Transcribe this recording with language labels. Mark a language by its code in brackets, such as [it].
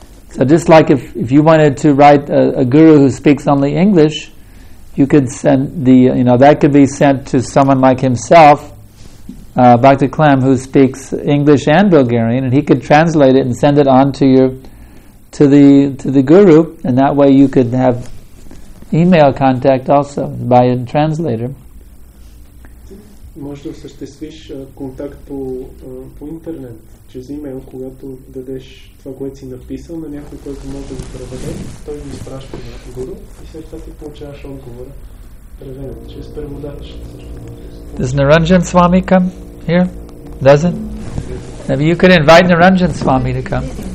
[en] So just like if you wanted to write a guru who speaks only English, you could send that could be sent to someone like himself, Bhakti Klem, who speaks English and Bulgarian, and he could translate it and send it on to the guru, and that way you could have email contact also by a translator. [bg] Можеш да осъществиш контакт по интернет, чрез имейл, когато дадеш това, което си написал на някой, който може да го преведе, той го изпраща на гуру и след това ти получаваш отговора преведен чрез преводач. [en] Does Naranjan Swami come here? Does it? Maybe you could invite Naranjan Swami to come.